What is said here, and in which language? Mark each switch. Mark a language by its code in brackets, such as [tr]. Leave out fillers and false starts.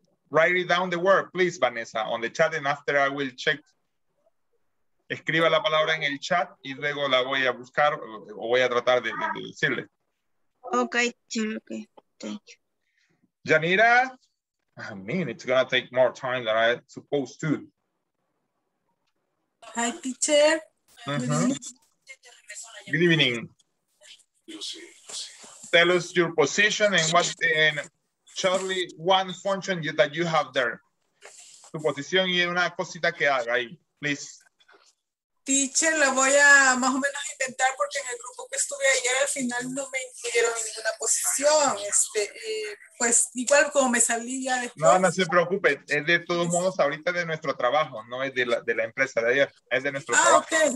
[en] Write it down the word, please, Vanessa, on the chat, and after I will check. [es] Escriba la palabra en el chat y luego la voy a buscar o voy a tratar de decirle. [en] Okay, sure, okay, thank you. Janira, I mean, it's gonna take more time than I supposed to. Hi, teacher. Mm-hmm. Good evening. Tell us your position and what in Charlie, one function that you have there. [es] Tu posición y una cosita que haga ahí, [en] please. [es] Teacher, la voy a más o menos inventar porque en el grupo que estuve ayer al final no me incluyeron en ninguna posición. Pues igual como me salí ya después. No se preocupe, es de todos modos ahorita de nuestro trabajo, no es de la empresa de ayer, es de nuestro trabajo.